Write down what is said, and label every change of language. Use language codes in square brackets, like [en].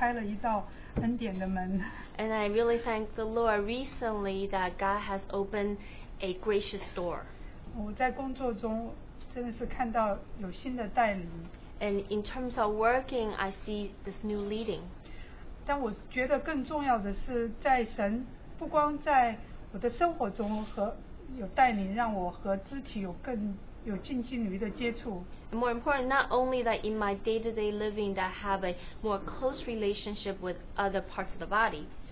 [zh] 我们的神真的是给我看见开了一道恩典的门。 [en] And I really thank the Lord recently that God has opened a gracious door. [zh] 我在工作中真的是看到有新的带领。 [en] And in terms of working, I see this new leading. [zh] 但我觉得更重要的是在神不光在我的生活中和有带领让我和肢体有更 有近距离的接触。 [en] More important, not only that in my day-to-day living that I have a more close relationship with other parts of the body.